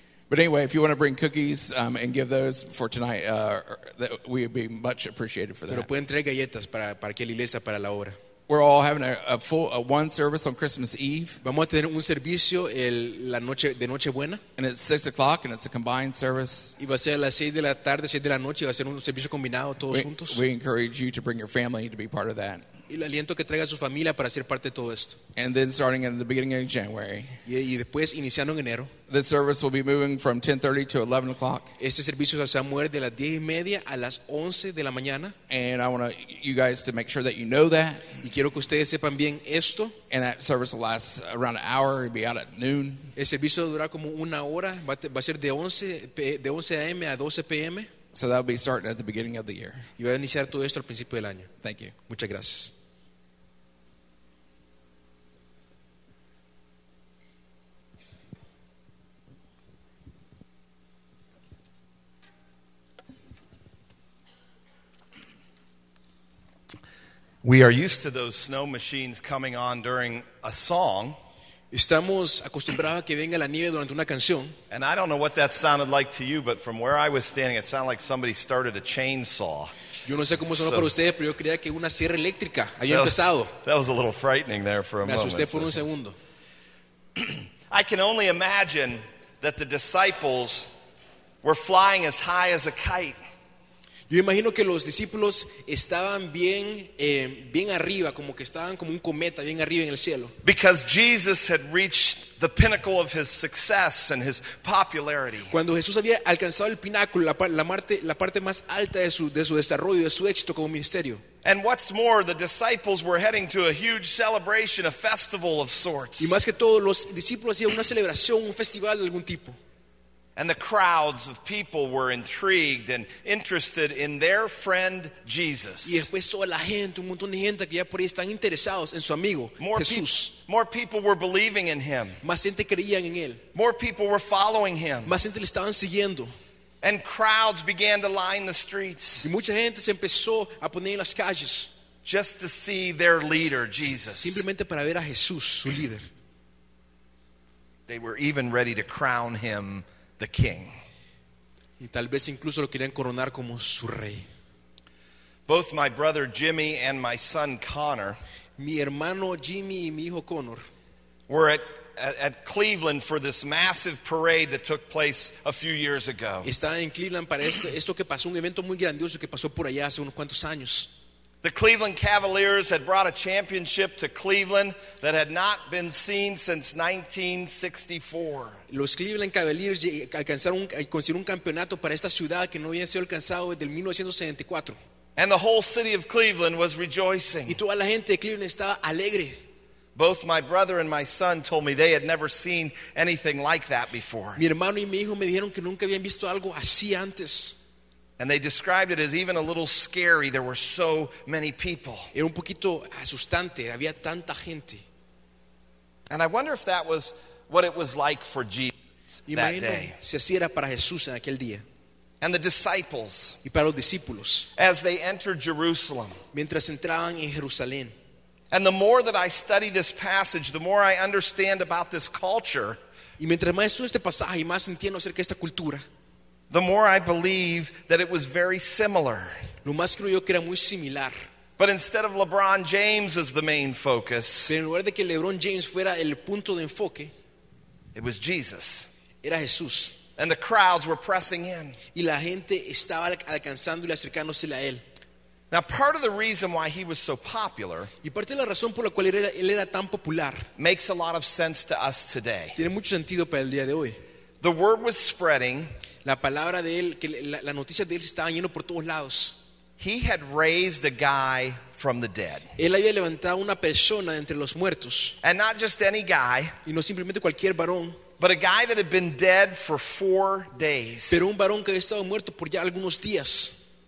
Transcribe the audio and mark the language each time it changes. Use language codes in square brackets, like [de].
[en] But anyway, if you want to bring cookies and give those for tonight, that we would be much appreciated for that. [es] Pero pueden traer galletas para que la iglesia para la obra. [en] We're all having a one service on Christmas Eve. [es] Vamos a tener un servicio la noche de Nochebuena. [en] And it's 6:00, and it's a combined service. [es] Y va a ser a las 6 de la tarde, 7 de la noche, y va a ser un servicio combinado todos juntos. [en] We encourage you to bring your family to be part of that. [es] Y le aliento que traiga a su familia para ser parte de todo esto. [en] And then starting in the beginning of January. [es] Y después iniciando en enero. [en] The service will be moving from 10:30 to 11:00. [es] Este servicio se va a mover de las 10:30 a las 11 de la mañana. [en] And I want you guys to make sure that you know that. [es] Y quiero que ustedes sepan bien esto. [en] And that service will last around an hour. It'll be out at noon. [es] El servicio durará como una hora. Va a ser de 11 a.m. a 12 p.m. [en] So that'll be starting at the beginning of the year. [es] Y va a iniciar todo esto al principio del año. [en] Thank you. [es] Muchas gracias. [en] We are used to those snow machines coming on during a song. [es] Estamos acostumbrados a que venga la nieve durante una canción. [en] And I don't know what that sounded like to you, but from where I was standing, it sounded like somebody started a chainsaw. [es] Yo no sé cómo sonó para ustedes, pero yo creía que una sierra eléctrica había empezado. [en] That was a little frightening there for a moment. [es] Me asusté por un segundo. [en] I can only imagine that the disciples were flying as high as a kite. [es] Yo imagino que los discípulos estaban bien, bien arriba, como que estaban como un cometa bien arriba en el cielo. [en] Because Jesus had reached the pinnacle of his success and his popularity. [es] Cuando Jesús había alcanzado el pináculo, la parte más alta de su desarrollo, de su éxito como ministerio. [en] And what's more, the disciples were heading to a huge celebration, a festival of sorts. [es] Y más que todo, los discípulos hacían una celebración, un festival de algún tipo. [en] And the crowds of people were intrigued and interested in their friend Jesus. [es] Y después toda la gente, un montón de gente que ya por ahí están interesados en su amigo Jesús. [en] More people were believing in him. [es] Más gente creían en él. [en] More people were following him. [es] Más gente le estaban siguiendo. [en] And crowds began to line the streets. [es] Y mucha gente se empezó a poner en las calles. [en] Just to see their leader Jesus. [es] Simplemente para ver a Jesús, su líder. [en] They were even ready to crown him the king. [es] Y tal vez incluso lo querían coronar como su rey. [en] Both my brother Jimmy and my son Connor, [es] mi hermano Jimmy y mi hijo Connor, [en] were at at Cleveland for this massive parade that took place a few years ago. [es] Estaba en Cleveland para esto que pasó, un evento muy grandioso que pasó por allá hace unos cuantos años. [en] The Cleveland Cavaliers had brought a championship to Cleveland that had not been seen since 1964. [es] Los Cleveland Cavaliers consiguieron un campeonato para esta ciudad que no había sido alcanzado desde el 1974. [en] And the whole city of Cleveland was rejoicing. [es] Y toda la gente de Cleveland estaba alegre. [en] Both my brother and my son told me they had never seen anything like that before. [es] Mi hermano y mi hijo me dijeron que nunca habían visto algo así antes. [en] And they described it as even a little scary. There were so many people. [es] Era un poquito asustante. Había tanta gente. [en] And I wonder if that was what it was like for Jesus that day. [es] Si así era para Jesús en aquel día. [en] And the disciples. [es] Y para los discípulos. [en] As they entered Jerusalem. [es] Mientras entraban en Jerusalén. [en] And the more that I study this passage, the more I understand about this culture. [es] Y mientras más estudio este pasaje y más entiendo acerca de esta cultura. [en] The more I believe that it was very similar. [es] Lo más creo yo que era muy similar. [en] But instead of LeBron James as the main focus, [es] pero en lugar de que LeBron James fuera el punto de enfoque, [en] it was Jesus. [es] Era Jesús. [en] And the crowds were pressing in. [es] Y la gente estaba alcanzando y acercándose a él. [en] Now, part of the reason why he was so popular, [es] y parte de la razón por la cual él era tan popular, [en] makes a lot of sense to us today. [es] Tiene mucho sentido para el día de hoy. [en] The word was spreading. [es] La palabra de él, que la noticia de él se estaba yendo por todos lados. [en] He had raised a guy from the dead. [es] Él había levantado una persona entre los muertos. [en] And not just any guy. [es] Y no simplemente cualquier varón. [en] But a guy that had been dead for 4 days. [es] Pero un varón que había estado muerto por ya algunos días.